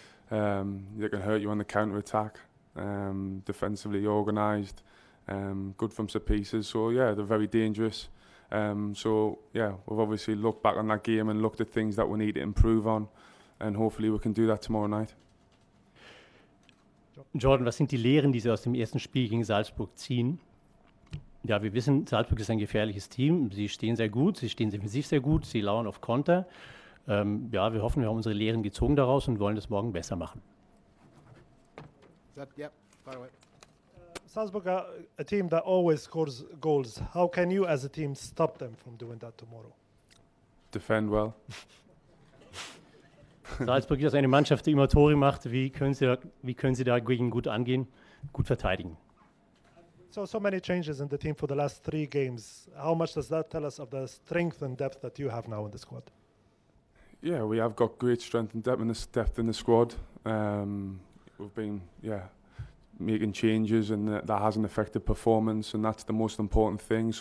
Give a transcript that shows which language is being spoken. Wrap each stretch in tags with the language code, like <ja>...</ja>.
<en>They can hurt you on the counter-attack. Defensively organised, good from set pieces. So yeah, they're very dangerous. We've obviously looked back on that game and looked at things that we need to improve on, and hopefully we can do that tomorrow night.</en> <de>Jordan, was sind die Lehren, die Sie aus dem ersten Spiel gegen Salzburg ziehen? Ja, wir wissen, Salzburg ist ein gefährliches Team. Sie stehen sehr gut, sie stehen defensiv sehr gut, sie lauern auf Konter. Wir hoffen, wir haben unsere Lehren gezogen daraus und wollen das morgen besser machen.</de> <en>Yep, by the way. Salzburg are a team that always scores goals. How can you as a team stop them from doing that tomorrow? Defend well.</en> <de>Salzburg ist eine Mannschaft, die immer Tore macht. Wie können Sie dagegen gut angehen, gut verteidigen?</de> <en>So many changes in the team for the last three games. How much does that tell us of the strength and depth that you have now in the squad? Yeah, we have got great strength and depth in the squad. We've been making changes, and that hasn't affected performance, and that's the most important thing.</en>